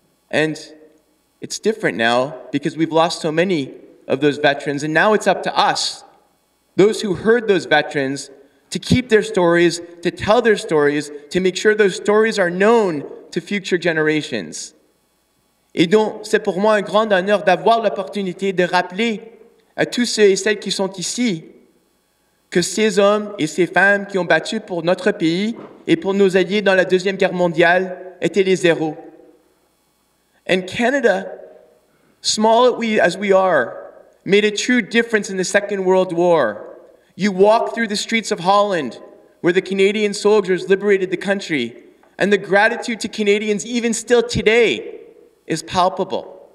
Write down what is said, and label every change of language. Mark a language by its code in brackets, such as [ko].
[en] And it's different now, because we've lost so many of those veterans, and now it's up to us, those who heard those veterans, to keep their stories, to tell their stories, to make sure those stories are known to future generations. [fr] Et donc, c'est pour moi un grand honneur d'avoir l'opportunité de rappeler à tous ceux et celles qui sont ici que ces hommes et ces femmes qui ont battu pour notre pays et pour nos alliés dans la Deuxième Guerre mondiale étaient les héros. [en] And Canada, small as we are, made a true difference in the Second World War. You walk through the streets of Holland, where the Canadian soldiers liberated the country, and the gratitude to Canadians even still today is palpable.